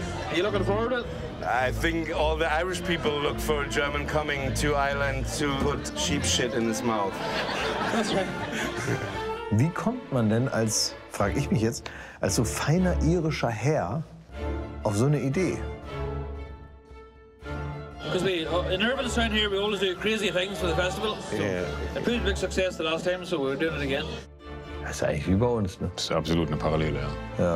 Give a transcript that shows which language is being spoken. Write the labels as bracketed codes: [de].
[en] Are you looking forward to it? I think all the Irish people look for a German coming to Ireland to put sheep shit in his mouth. That's right. [de] Wie kommt man denn als, frage ich mich jetzt, als so feiner irischer Herr auf so eine Idee? [en] Because we in Irvine town here we always do crazy things for the festival. Yeah. So, it proved big success the last time, so we're doing it again. [de] Das ist eigentlich wie bei uns, ne? Das ist absolut eine Parallele, ja.